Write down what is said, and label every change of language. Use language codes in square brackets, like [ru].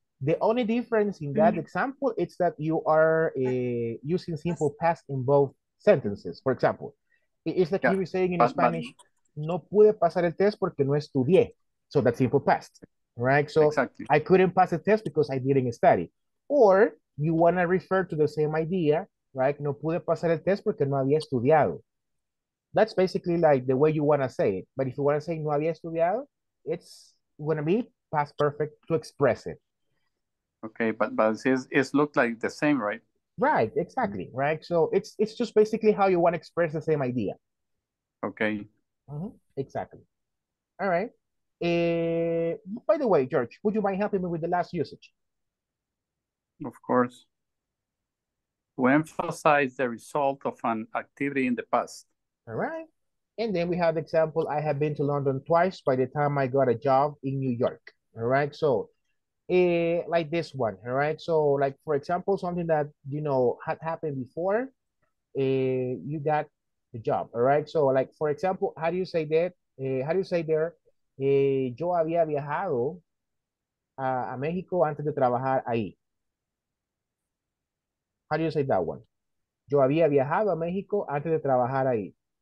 [en] The only difference in that example is that you are using simple past in both sentences. For example, it's like you were saying in Spanish, [es] no pude pasar el test porque no estudié. [en] So that's simple past, right? So exactly. I couldn't pass the test because I didn't study. Or you want to refer to the same idea, right? [es] No pude pasar el test porque no había estudiado. [en] That's basically like the way you want to say it. But if you want to say [es] no había estudiado, [en] it's going to be past perfect to express it. Okay, but it looked like the same, right? Right, exactly, right? So it's just basically how you want to express the same idea. Okay. Mm-hmm, exactly. All right. By the way, George, would you mind helping me with the last usage? Of course. To emphasize the result of an activity in the past. All right. And then we have the example, I have been to London twice by the time I got a job in New York. All right. So like this one, all right? So like, for example, something that, you know, had happened before, you got the job, all right? So like, for example, how do you say that? How do you say there? [es] Yo había viajado a México antes de trabajar ahí. [en] How do you say that one? [es] Yo había viajado a México antes de trabajar ahí.